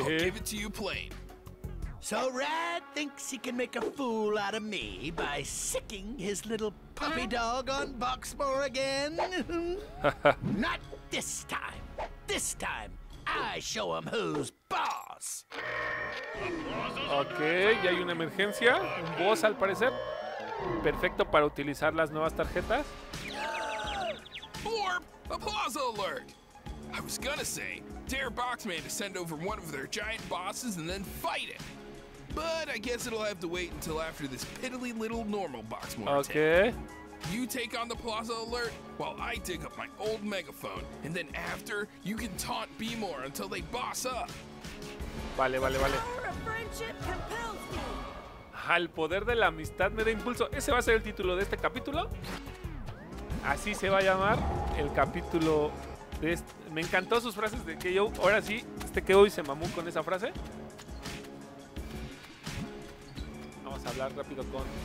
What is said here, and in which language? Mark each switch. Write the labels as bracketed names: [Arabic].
[English] I'll give it to you plain. So Rad thinks he can make a fool out of me by sicking his little puppy dog on Boxmore again? Not this time. This time, I show him who's boss. [Spanish] Okay, ya hay una emergencia. Un boss, al parecer. Perfecto para utilizar las nuevas tarjetas. [English] Orp, applause alert. I was gonna say, dare Boxman to send over one of their giant bosses and then fight it. But I guess it'll have to wait until after this piddly little normal box more. Okay. You take on the plaza alert while I dig up my old megaphone. And then after, you can taunt B-more until they boss up. [Spanish] Vale, vale, vale. [English] The power of friendship compels me. [Spanish] Al poder de la amistad me da impulso. Ese va a ser el título de este capítulo. Así se va a llamar el capítulo de este. Me encantó sus frases de KO. Ahora sí, este KO y se mamó con esa frase. Vamos a hablar rápido con...